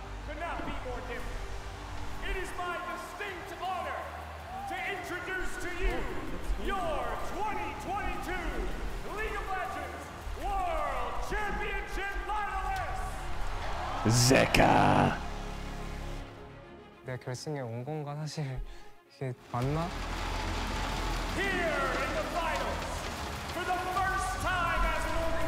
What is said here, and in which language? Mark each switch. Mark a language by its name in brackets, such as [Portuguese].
[English] It is my distinct honor to introduce to you your 2022 League of Legends World Championship Finalist, Zeka. [Korean] 내가 결승에 온 건가 사실 이게 맞나? [English] Here in the finals, for the first time as an